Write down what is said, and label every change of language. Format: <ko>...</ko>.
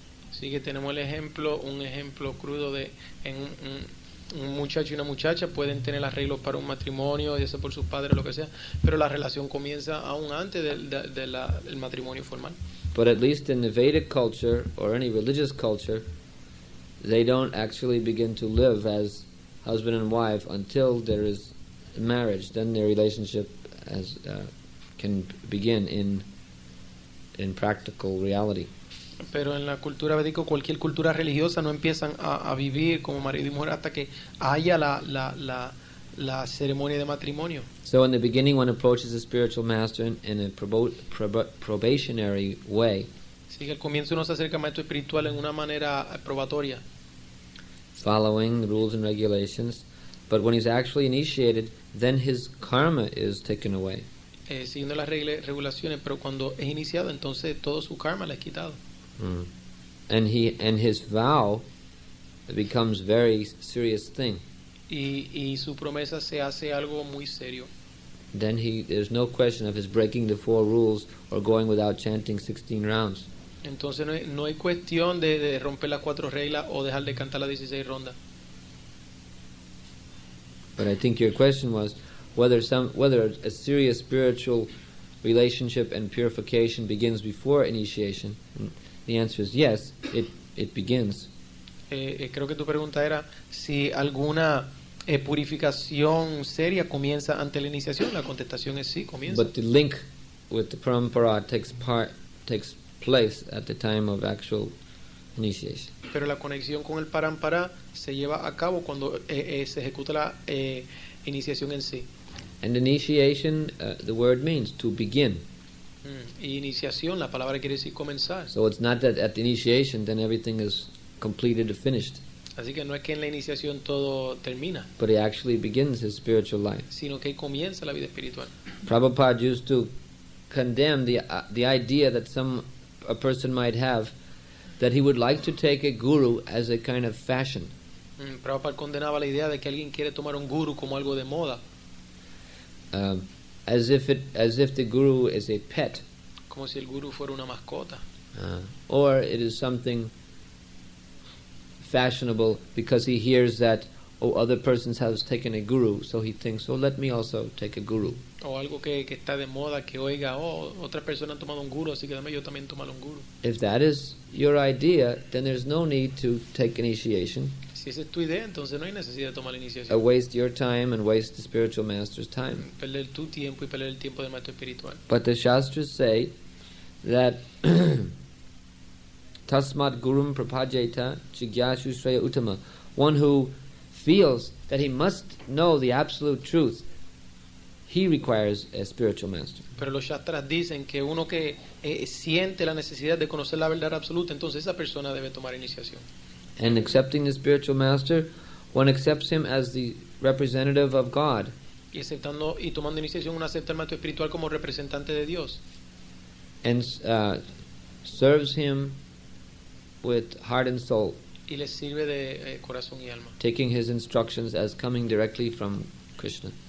<es>Sí, que tenemos el ejemplo, un ejemplo crudo de en un muchacho y una muchacha pueden tener arreglos para un matrimonio, ya sea por sus padres o lo que sea, pero la relación comienza aún antes del matrimonio formal.</es> <en>But at least in the Vedic culture or any religious culture, they don't actually begin to live as husband and wife until there is marriage. Then their relationship can begin in practical reality.</en> <es>Pero en la cultura védica, cualquier cultura religiosa, no empiezan a vivir como marido y mujer hasta que haya la ceremonia de matrimonio.</es> <en>So in the beginning, one approaches a spiritual master in a probationary way.</en> <es>Sí, que al comienzo uno se acerca al maestro espiritual en una manera probatoria,</es> <en>following the rules and regulations, but when he's actually initiated, then his karma is taken away.</en> <es>Siguiendo las regulaciones, pero cuando es iniciado, entonces todo su karma le es quitado.</es> <en>And his vow becomes very serious thing.</en> <es>Y su promesa se hace algo muy serio.</es> <en>Then there's no question of his breaking the four rules or going without chanting 16 rounds.</en> <es>Entonces no hay cuestión de romper las cuatro reglas o dejar de cantar las 16 rondas.</es> <en>But I think your question was whether a serious spiritual relationship and purification begins before initiation. And the answer is yes, it begins.</en> <es>Creo que tu pregunta era si alguna purificación seria comienza ante la iniciación. La contestación es sí, comienza.</es> <en>But the link with the parampara takes place at the time of actual initiation.</en> <es>Pero la conexión con el parampara se lleva a cabo cuando se ejecuta la iniciación en sí.</es> <en>And initiation, the word means to begin.</en> <es>Y iniciación, la palabra quiere decir comenzar.</es> <en>So it's not that at the initiation then everything is completed or finished.</en> <es>Así que no es que en la iniciación todo termina.</es> <en>But he actually begins his spiritual life.</en> <es>Sino que comienza la vida espiritual.</es> <en>Prabhupada used to condemn the idea that a person might have that he would like to take a guru as a kind of fashion.</en> <es>Prabhupada condenaba la idea de que alguien quiere tomar un guru como algo de moda.</es> <en>As if the guru is a pet.</en> <es>Como si el guru fuera una mascota.</es> <en>Or it is something fashionable because he hears that other persons have taken a guru, so he thinks, "Oh, let me also take a guru."</en> <es>O algo que está de moda, que oiga, otra persona ha tomado un guru, así que dame yo también tomar un guru.</es> <en>If that is your idea, then there's no need to take initiation.</en> <es>Si esa es tu idea, entonces no hay necesidad de tomar la iniciación.</es> <en>A waste your time and waste the spiritual master's time.</en> <es>Perder tu tiempo y perder el tiempo del maestro espiritual.</es> <en>But the shastras say that</en> <sa>tasmat gurum prapajeta jigyasu shreya uttama,</sa> <en>one who feels that he must know the absolute truth, he requires a spiritual master.</en> <es>Pero los shastras dicen que uno que siente la necesidad de conocer la verdad absoluta, entonces esa persona debe tomar iniciación.</es> <en>And accepting the spiritual master, one accepts him as the representative of God.</en> <es>Y aceptando y tomando iniciación, uno acepta al maestro espiritual como representante de Dios.</es> <en>And serves him with heart and soul.</en> <es>Y le sirve de corazón y alma.</es> <en>Taking his instructions as coming directly from Krishna.</en>